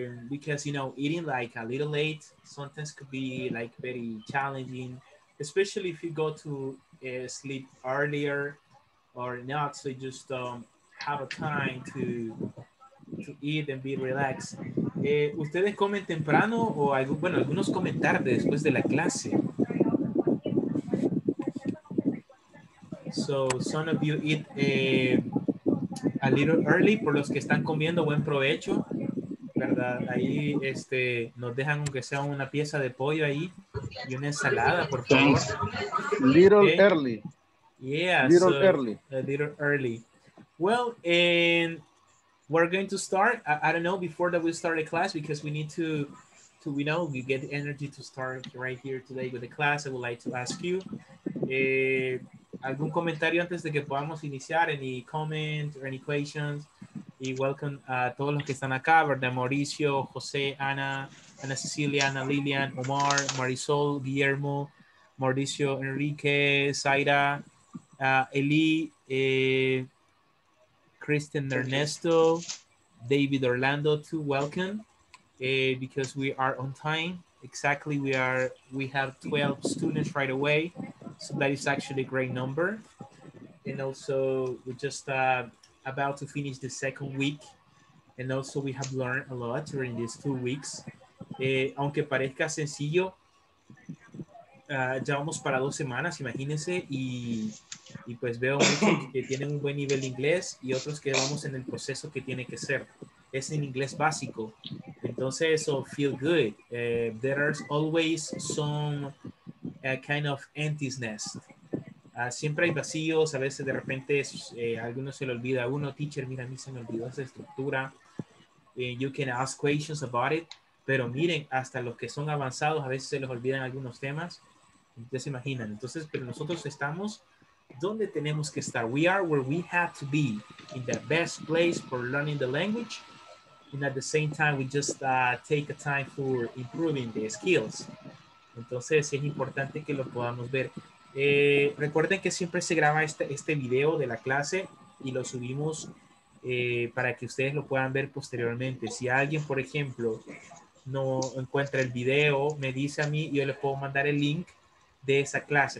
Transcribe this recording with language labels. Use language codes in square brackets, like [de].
[en] Because, you know, eating like a little late sometimes could be like very challenging, especially if you go to sleep earlier or not. So you just have a time to eat and be relaxed. [es] ¿Ustedes comen temprano o algunos comen tarde después de la clase? [en] So some of you eat a little early, [es] por los que están comiendo, buen provecho, ¿verdad? Ahí nos dejan aunque sea una pieza de pollo ahí y una ensalada, por favor. [en] Little okay. Early. Yeah. A little early. Well, and we're going to start, I don't know, before that we start the class, because we need to you know, we get the energy to start right here today with the class. I would like to ask you, [es] algún comentario antes de que podamos iniciar, [en] any comments or any questions. [es] Y [en] welcome [es] a todos los que están acá, ¿verdad? Mauricio, José, Ana Cecilia, Ana Lilian, Omar, Marisol, Guillermo, Mauricio, Enrique, Zaira, Eli, Kristen, Ernesto, David, Orlando, too. [en] Welcome, because we are on time. Exactly, we have 12 students right away. So that is actually a great number. And also we're just about to finish the second week. And also we have learned a lot during these 2 weeks. [es] Aunque parezca sencillo, ya vamos para 2 semanas, imagínense. Y pues veo muchos que tienen un buen nivel de inglés y otros que vamos en el proceso que tiene que ser. Es en inglés básico. Entonces, [en] so feel good. There are always some kind of empty's nest. [es] Siempre hay vacíos. A veces de repente alguno se le olvida. Uno, teacher, mira, a mí se me olvidó esa estructura. [en] You can ask questions about it. [es] Pero miren, hasta los que son avanzados, a veces se les olvidan algunos temas. Ya se imaginan. Entonces, pero nosotros estamos donde tenemos que estar. [en] We are where we have to be. In the best place for learning the language. And at the same time, we just take a time for improving the skills. [es] Entonces, es importante que lo podamos ver. Recuerden que siempre se graba este video de la clase y lo subimos para que ustedes lo puedan ver posteriormente. Si alguien, por ejemplo, no encuentra el video, me dice a mí, yo le puedo mandar el link de esa clase.